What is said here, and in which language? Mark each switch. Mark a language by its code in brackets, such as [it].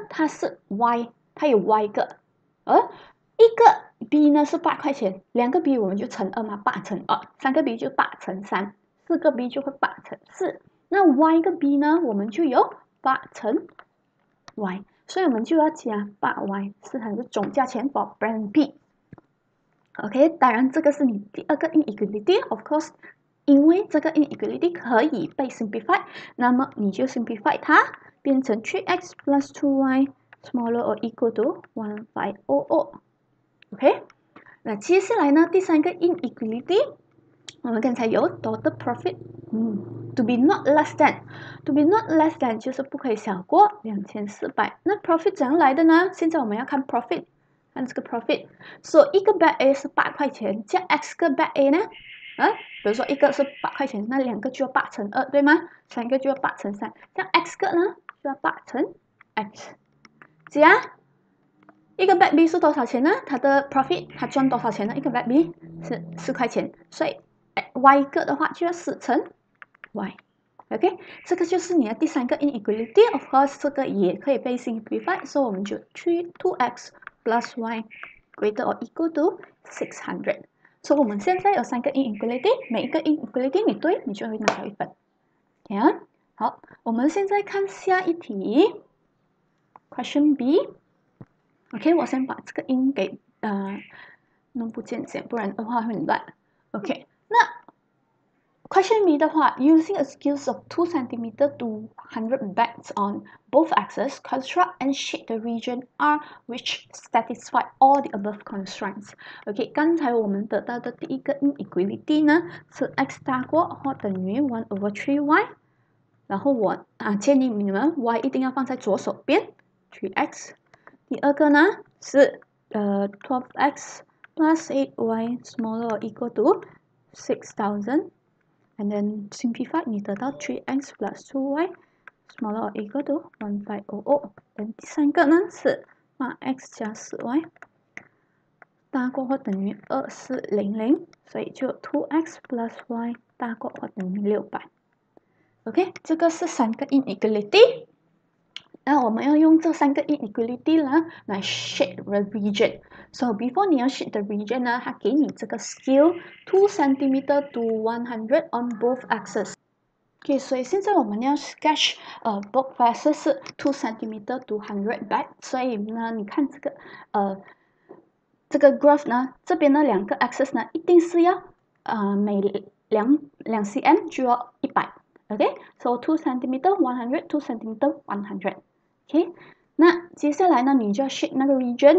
[zh] 它是 y，它有 y 个，而一个 B 呢是8块钱，两个 B 我们就乘二嘛，八乘二，三个 B 就八乘三，四个 B 就会八乘四。那 y 个 b 呢，我们就有八乘 y，所以我们就要加8y，是它的总价钱 for brand B。 OK，当然这个是你第二个 inequality，of course，因为这个 inequality 可以被 simplify，那么你就 simplify 它，变成 [en] 3x plus 2y smaller or equal to 1500。 [zh] OK，那接下来呢，第三个 inequality，我们刚才有 total profit。 [en] To be not less than， [zh] to be not less than 就是不可以小过2400。那 profit 怎样来的呢？现在我们要看 profit，看这个 profit。所以一个 bag A 是8块钱，加 x 个 bag A 呢？比如说一个是8块钱，那两个就要八乘二，对吗？三个就要八乘三，加 x 个呢就要八乘 x。加一个 bag B 是多少钱呢？它的 profit 它赚多少钱呢？一个 bag B 是4块钱，所以 y 个的话就要四乘。 Y，OK，这个就是你的第三个 inequality。 Of course，这个也可以被 simplified，所以我们就 [en] 2x plus y greater or equal to 600。 [zh] 所以我们现在有三个 inequality，每一个 inequality 你对，你就会拿到一分。行，好，我们现在看下一题，Question B。 OK，我先把这个音给弄不见先，不然的话会很乱。 OK，那。 [en] Question B [zh] 的话， [en] using a skills of 2 centimeter to 100 bags on both axes, construct and shape the region R which satisfy all the above constraints. [zh] OK，刚才我们得到的第一个 inequality 呢，是 x 大过或等于 1 over 3y。然后我建议你们 y 一定要放在左手边，3x。第二个呢是 [en] 12x plus 8y smaller or equal to 6000。 [zh] And then simplify，你得到 [en] 3x plus 2y smaller or equal to 1500。 [zh] 然后第三个呢是 x 加 4y 大过或等于2400，所以就 2x plus y 大过或等于600。 OK，这个是三个 inequality。那我们要用这三个 inequality 呢来 [en] shape the region。 [zh] So before 你要 shape the region 呢，它给你这个 scale 2 cm to 100 on both axes。 OK，所以现在我们要 [en] sketch both faces 是 2 cm to 100 back。 [zh] 所以呢，你看这个这个 graph 呢，这边的两个 axes 呢，一定是要每2 cm 就要100。 [en] OK，so 2 cm 100 2 cm 100。 OK，那接下来呢，你就要 shape 那个 region。